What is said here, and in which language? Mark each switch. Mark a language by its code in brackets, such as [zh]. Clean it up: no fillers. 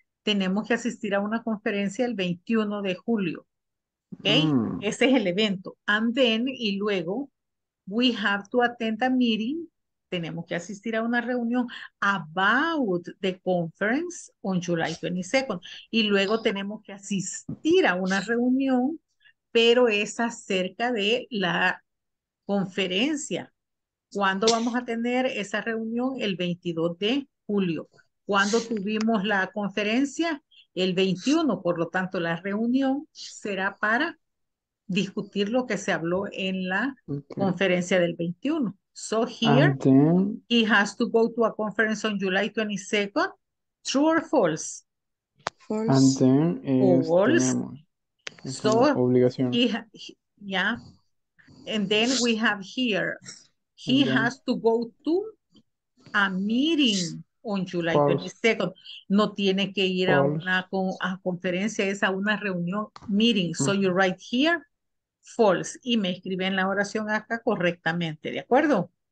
[es] Tenemos que asistir a una conferencia el 21 de julio. Okay, ese es el evento. [en] And then, [es] y luego, [en] we have to attend a meeting. [es] Tenemos que asistir a una reunión [en] about the conference on July 22nd. [es] Y luego tenemos que asistir a una reunión, pero es acerca de la conferencia ¿Cuándo vamos a tener esa reunión? El 22 de julio. ¿Cuándo tuvimos la conferencia? El 21. Por lo tanto, la reunión será para discutir lo que se habló en la conferencia del 21. [en] So here, he has to go to a conference on July 22nd. True or false? False. And then is false. So, obligación. Yeah. And then we have here, he has to go to a meeting on July 22nd. [es] No tiene que ir a una conferencia, es a una reunión, meeting. [en] So you write here, false. [es] Y me escribe en la oración acá correctamente, ¿de acuerdo?